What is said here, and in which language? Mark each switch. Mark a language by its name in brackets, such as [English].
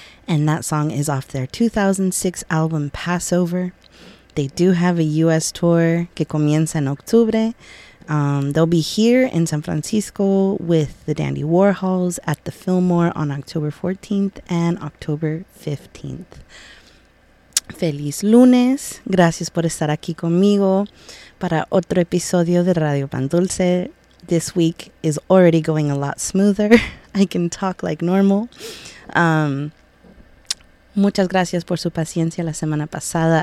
[English] And that song is off their 2006 album, Passover. They do have a U.S. tour [Spanish] que comienza en octubre. [English] They'll be here in San Francisco with the Dandy Warhols at the Fillmore on October 14th and October 15th. [Spanish] Feliz lunes. Gracias por estar aquí conmigo para otro episodio de Radio Pan Dulce. [English] This week is already going a lot smoother. I can talk like normal. [Spanish] Muchas gracias por su paciencia la semana pasada.